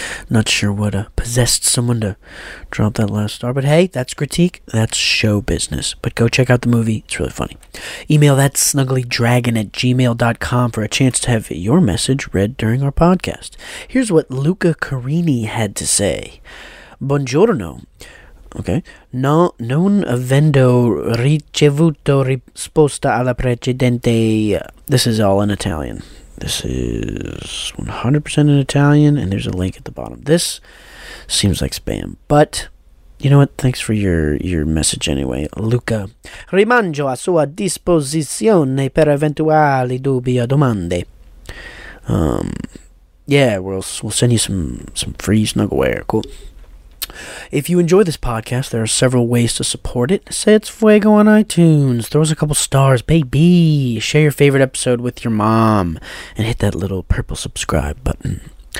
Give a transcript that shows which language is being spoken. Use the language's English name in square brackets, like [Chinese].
[English] Not sure what possessed someone to drop that last star, but hey, that's critique. That's show business. But go check out the movie. It's really funny. Email that snugglydragon at gmail.com for a chance to have your message read during our podcast. Here's what Luca Carini had to say. [Italian] Buongiorno. Okay. No, non avendo ricevuto risposta alla precedente. [English] This is all in Italian. This is 100% in Italian, and there's a link at the bottom. This seems like spam, but you know what? Thanks for your message anyway, Luca. [Italian] Rimango a sua disposizione per eventuali dubbi o domande. [English] Yeah, we'll send you some free snuggleware. Cool. If you enjoy this podcast, there are several ways to support it. Say it's Fuego on iTunes. Throw us a couple stars, baby. Share your favorite episode with your mom. And hit that little purple subscribe button.